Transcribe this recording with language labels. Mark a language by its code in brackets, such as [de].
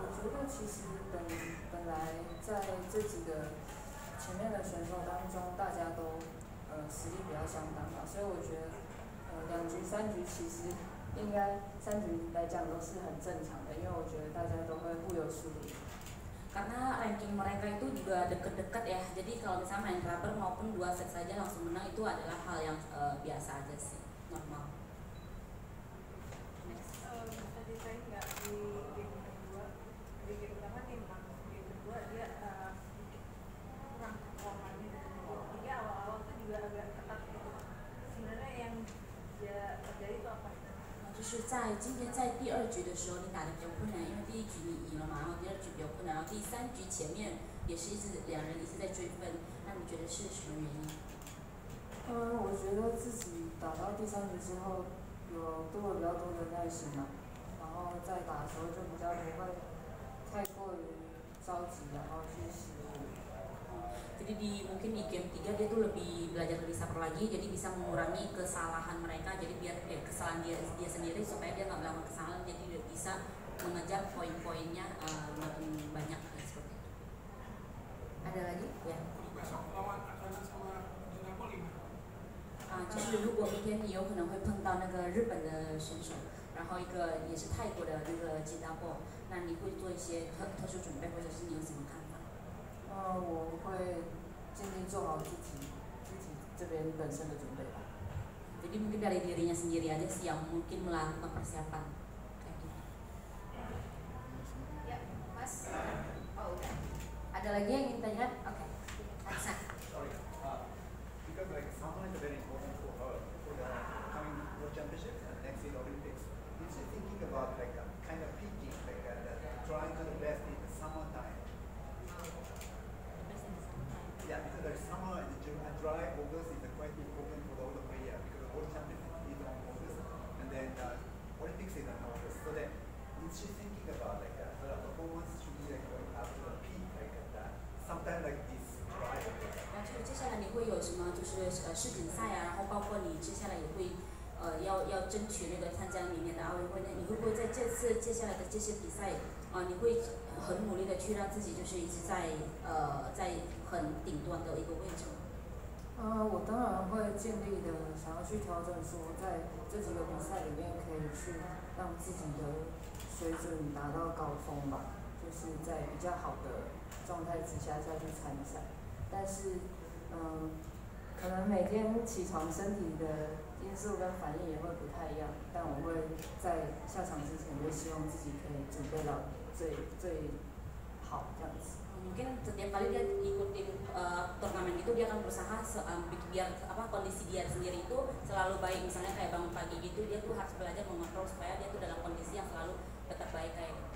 [zh] 我觉得其实本来在这几个前面的选手当中，大家都实力比较相当吧，所以我觉得两局三局其实应该三局来讲都是很正常的，因为我觉得大家都会互有输赢。 [id] Karena ranking mereka itu juga dekat-dekat ya, jadi kalau misalnya main rubber maupun 2 set saja langsung menang itu adalah hal yang biasa aja sih, normal. Next. Tadi saya nggak di game kedua, di game pertama di game kedua dia kurang performanya gitu. Jadi awal-awal itu juga agak ketat gitu. Sebenarnya yang dia terjadi itu apa? [zh] 就是在今天在第二局的时候，你打得比较困难，因为第一局你赢了嘛，然后第二局比较困难，然后第三局前面也是一直两人一直在追分，那你觉得是什么原因？我觉得自己打到第三局之后，有多了比较多的耐心嘛，然后再打的时候就比较不会太过于着急，然后去失误。 [id] Jadi di mungkin di game 3 dia tuh lebih belajar lebih sabar lagi, jadi bisa mengurangi kesalahan mereka, jadi biar kesalahan dia sendiri supaya dia nggak melakukan kesalahan, jadi dia bisa mengejar poin-poinnya lebih banyak seperti itu. Ada lagi? Ya. Besok lawan akan sama Napoli. Jadi, jika nanti dia mungkin akan bertemu dengan Jepang, dan satu lagi adalah Thailand, jadi Jin Dabo. Jadi, anda akan melakukan persiapan khusus atau anda akan melihat? [zh] 我会尽力做好自己这边本身的准备吧。 [id] Jadi mungkin dari dirinya sendiri aja sih yang mungkin melakukan persiapan. Ya, Mas. Oh, ada lagi yang ingin tanya? Oke. Aksa. Sorry. [en] Because like someone is very important for her for the coming World Championship and next year Olympics. Is she thinking about like a kind of peaking, like trying to the best in the summertime? Yeah, because there's summer in June and dry, August is quite important for all the players because the World Championship is on August and then Olympics is on August. So then, is she thinking about like her performance should be like going up to the peak like that? Sometimes like this dry. [zh] 那就是接下来你会有什么？就是世锦赛啊，然后包括你接下来也会要争取那个参加明年的奥运会。那你会不会在这次接下来的这些比赛？你会很努力的去让自己就是一直在很顶端的一个位置。我当然会尽力的想要去调整，说在这几个比赛里面可以去让自己的水准达到高峰吧，就是在比较好的状态之下再去参赛。但是，可能每天起床身体的因素跟反应也会不太一样，但我会在下场之前就希望自己可以准备到最好这样子。 [id] Mungkin setiap kali dia ikutin turnamen itu dia akan berusaha biar kondisi dia sendiri itu selalu baik. Misalnya kayak bangun pagi gitu, dia tuh harus belajar mengontrol supaya dia tuh dalam kondisi yang selalu tetap baik kayak.